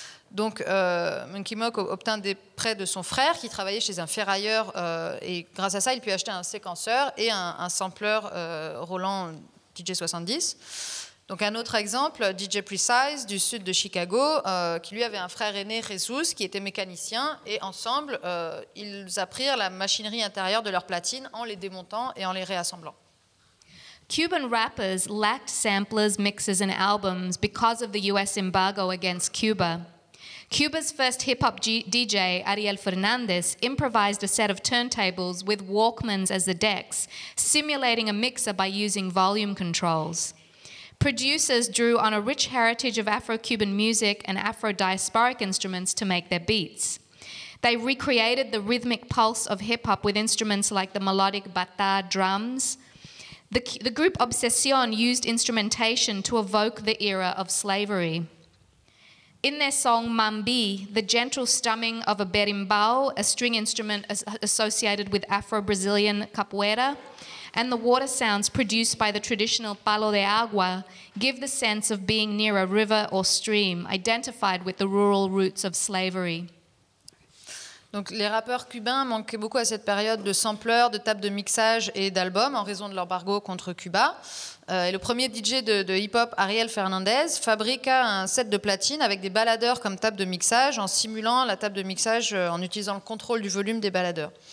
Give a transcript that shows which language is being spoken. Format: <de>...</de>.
<fr>Donc, Monkey Mok obtint des prêts de son frère qui travaillait chez un ferrailleur et grâce à ça, il put acheter un séquenceur et un sampleur Roland DJ 70. Donc, un autre exemple, DJ Precise du sud de Chicago, qui lui avait un frère aîné, Jesus, qui était mécanicien et ensemble, ils apprirent la machinerie intérieure de leurs platines en les démontant et en les réassemblant.</fr> <en>Cuban rappers lacked samplers, mixes and albums because of the US embargo against Cuba. Cuba's first hip-hop DJ, Ariel Fernandez, improvised a set of turntables with Walkmans as the decks, simulating a mixer by using volume controls. Producers drew on a rich heritage of Afro-Cuban music and Afro-diasporic instruments to make their beats. They recreated the rhythmic pulse of hip-hop with instruments like the melodic bata drums. The group Obsession used instrumentation to evoke the era of slavery. In their song Mambi, the gentle strumming of a berimbau, a string instrument associated with Afro-Brazilian capoeira, and the water sounds produced by the traditional palo de agua give the sense of being near a river or stream, identified with the rural roots of slavery.</en> <fr>Donc, les rappeurs cubains manquaient beaucoup à cette période de sampleurs, de tables de mixage et d'albums en raison de l'embargo contre Cuba. Et le premier DJ de hip-hop, Ariel Fernandez, fabriqua un set de platine avec des baladeurs comme table de mixage en simulant la table de mixage en utilisant le contrôle du volume des baladeurs.</fr>